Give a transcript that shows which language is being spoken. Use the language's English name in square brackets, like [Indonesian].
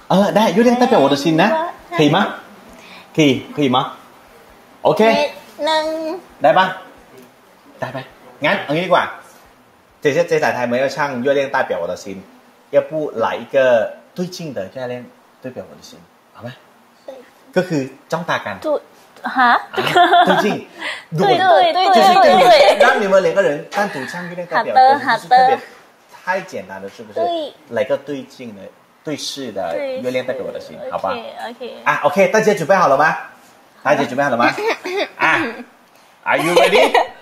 [Chinese] 哦对有点代表我的心呢可以吗可以可以吗 OK 能来吧来吧 [Thai] งั้นเอางี้ดีกว่าเจ๊เจ๊สายไทยไม่ [Chinese] 要唱月亮代表我的心要不来一个最近的月亮代表我的心好吗 [Thai] ก็คือจ้องตากัน ฮะ จริง [Chinese] ๆ对让你们两个人单独唱一遍代表歌是特别太简单了是不是来个对镜的对视的月亮代表我的心好吧 [English] OK [Chinese] 大姐准备好了吗大姐准备好了吗啊 [English] Are you ready